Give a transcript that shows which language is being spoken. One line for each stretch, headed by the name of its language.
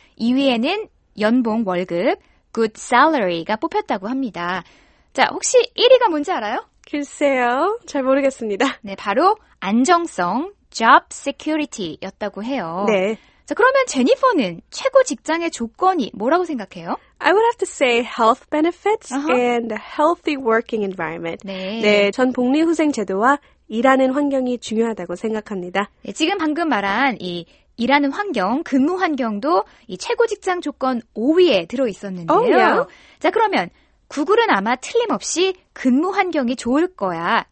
Korean: 2위에는 연봉 월급,
English: good salary
Korean: 가 뽑혔다고 합니다. 자, 혹시 1위가 뭔지 알아요? 글쎄요. 잘 모르겠습니다. 네, 바로 안정성,
English: job security
Korean: 였다고 해요. 네. 자, 그러면 제니퍼는 최고 직장의 조건이 뭐라고 생각해요?
English: I would have to say health benefits and a healthy working environment.
Korean: 네. 네, 전 복리후생 제도와 일하는 환경이 중요하다고 생각합니다. 네, 지금 방금 말한 이 일하는 환경, 근무 환경도 이 최고 직장 조건 5위에 들어 있었는데요.
English: Oh, yeah.
Korean: 자, 그러면 구글은 아마 틀림없이 근무 환경이 좋을 거야.